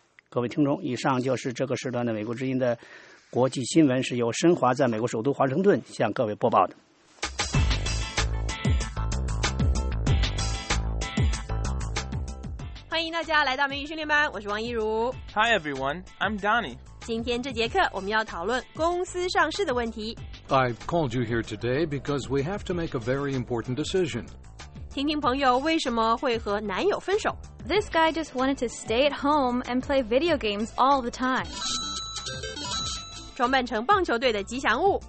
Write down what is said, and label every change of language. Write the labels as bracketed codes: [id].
[zh] 各位听众，以上就是这个时段的美国之音的国际新闻，是由申华在美国首都华盛顿向各位播报的。迎大家来到美语训练班，我是王一如。 [en] Hi everyone, I'm Donny. [zh] 今天这节课我们要讨论公司上市的问题。 [en] I called you here today because we have to make a very important decision. [zh] 听听朋友为什么会和男友分手。 [en] This guy just wanted to stay at home and play video games all the time. [zh] 装扮成棒球队的吉祥物。